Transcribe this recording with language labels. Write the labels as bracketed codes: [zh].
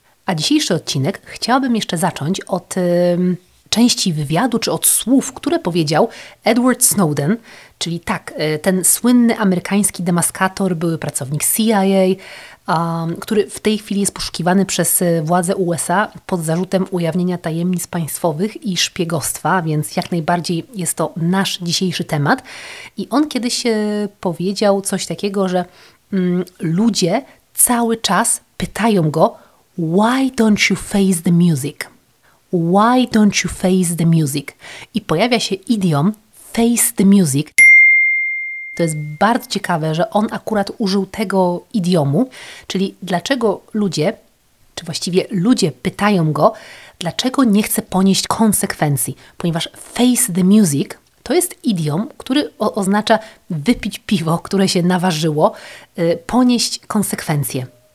[pl] A dzisiejszy odcinek chciałabym jeszcze zacząć od części wywiadu, czy od słów, które powiedział Edward Snowden, czyli tak, ten słynny amerykański demaskator, były pracownik CIA, który w tej chwili jest poszukiwany przez władze USA pod zarzutem ujawnienia tajemnic państwowych i szpiegostwa, więc jak najbardziej jest to nasz dzisiejszy temat. I on kiedyś powiedział coś takiego, że ludzie cały czas pytają go, [en] why don't you face the music? Why don't you face the music? [pl] I pojawia się idiom [en] face the music. [pl] To jest bardzo ciekawe, że on akurat użył tego idiomu, czyli dlaczego ludzie, czy właściwie ludzie pytają go, dlaczego nie chce ponieść konsekwencji, ponieważ face the music to jest idiom, który oznacza wypić piwo, które się naważyło, ponieść konsekwencje.